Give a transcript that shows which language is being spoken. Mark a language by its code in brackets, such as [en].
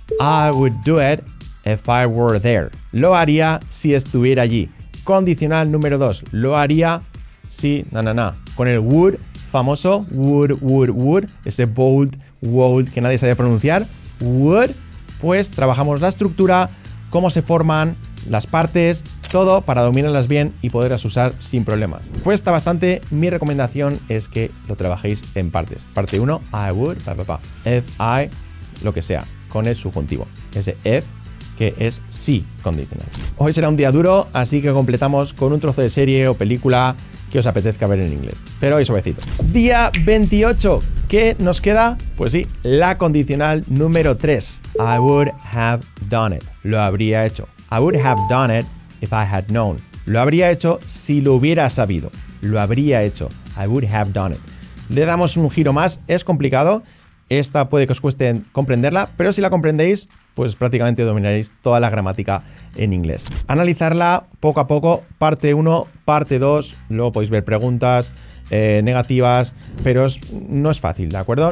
[en] I would do it if I were there. [es] Lo haría si estuviera allí. Condicional número 2. Lo haría si, con el would famoso, would, ese bold, would, que nadie sabe pronunciar, would, pues trabajamos la estructura, cómo se forman las partes, todo para dominarlas bien y poderlas usar sin problemas. Cuesta bastante, mi recomendación es que lo trabajéis en partes. Parte 1, [en] I would, [es] pa, pa, pa, [en] if I, [es] lo que sea, con el subjuntivo, ese if, que es sí condicional. Hoy será un día duro, así que completamos con un trozo de serie o película que os apetezca ver en inglés. Pero hoy suavecito. Día 28. ¿Qué nos queda? Pues sí, la condicional número 3. [en] I would have done it. [es] Lo habría hecho. [en] I would have done it if I had known. [es] Lo habría hecho si lo hubiera sabido. Lo habría hecho. [en] I would have done it. [es] Le damos un giro más. Es complicado. Esta puede que os cueste comprenderla, pero si la comprendéis, pues prácticamente dominaréis toda la gramática en inglés. Analizarla poco a poco, parte 1, parte 2, luego podéis ver preguntas, negativas, pero no es fácil, ¿de acuerdo?